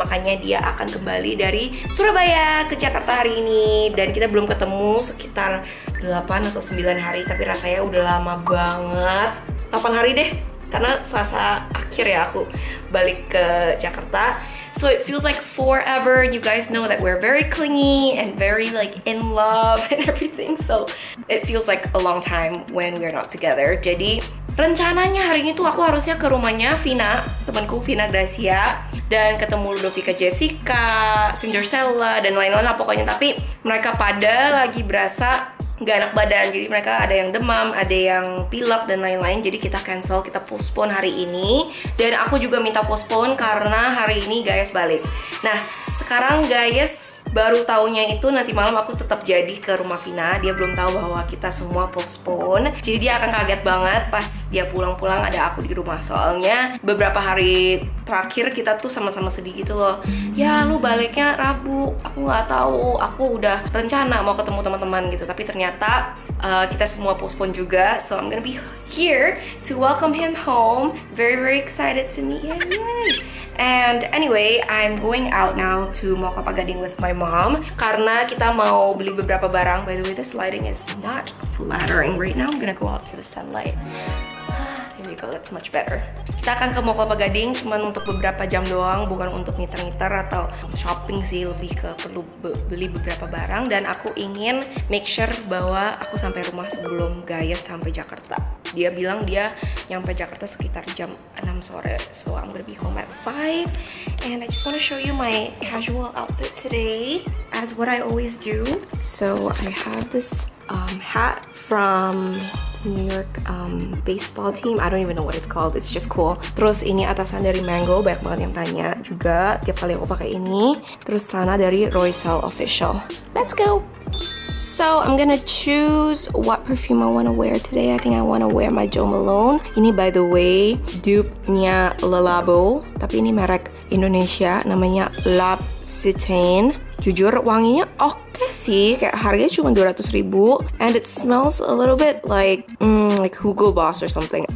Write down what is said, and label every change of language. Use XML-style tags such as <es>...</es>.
<id>Makanya dia akan kembali dari Surabaya ke Jakarta hari ini. Dan kita belum ketemu sekitar 8 atau 9 hari. Tapi rasanya udah lama banget. 8 hari deh, karena Selasa akhir ya aku balik ke Jakarta.</id> <en>So it feels like forever. You guys know that we're very clingy and very like in love and everything. So it feels like a long time when we're not together.</en> <id>Jadi rencananya hari ini tuh aku harusnya ke rumahnya Vina, temanku Vina Gracia, dan ketemu Ludovica Jessica, Cinderella, dan lain-lain lah pokoknya. Tapi mereka pada lagi berasa gak enak badan, jadi mereka ada yang demam, ada yang pilek, dan lain-lain. Jadi kita cancel, kita postpone hari ini. Dan aku juga minta postpone karena hari ini Gayas balik. Nah, sekarang Gayas baru taunya itu nanti malam aku tetap jadi ke rumah Vina. Dia belum tahu bahwa kita semua postpone. Jadi dia akan kaget banget pas dia pulang-pulang ada aku di rumah. Soalnya beberapa hari terakhir kita tuh sama-sama sedih gitu loh. Ya lu baliknya Rabu, aku gak tahu. Aku udah rencana mau ketemu teman-teman gitu. Tapi ternyata kita semua postpone juga.</id> <en>So I'm gonna be here to welcome him home. Very very excited to meet him. Yay! And anyway, I'm going out now to Mall Kelapa Gading with my mom</en> <id>karena kita mau beli beberapa barang.</id> <en>By the way, this lighting is not flattering right now. I'm gonna go out to the sunlight. Here we go, that's much better.</en> <id>Kita akan ke Mall Kelapa Gading cuma untuk beberapa jam doang, bukan untuk ngiter-ngiter atau shopping sih, lebih ke perlu beli beberapa barang. Dan aku ingin</id> <en>make sure</en> <id>bahwa aku sampai rumah sebelum Gayas sampai Jakarta. Dia bilang dia nyampe Jakarta sekitar jam 6 sore.</id> <en>So I'm gonna be home at 5. And I just wanna show you my casual outfit today, as what I always do. So I have this hat from New York baseball team. I don't even know what it's called, it's just cool.</en> <id>Terus ini atasan dari Mango, banyak banget yang tanya juga tiap kali aku pakai ini. Terus celana dari Roycel Official.</id> <en>Let's go! So I'm gonna choose what perfume I wanna wear today. I think I wanna wear my Jo Malone.</en> <id>Ini by the way dupe-nya Lalabo, tapi ini merek Indonesia, namanya L'Occitane. Jujur wanginya oke sih, kayak harganya cuma 200.000,</id> <en>and it smells a little bit like Hugo Boss or something.</en>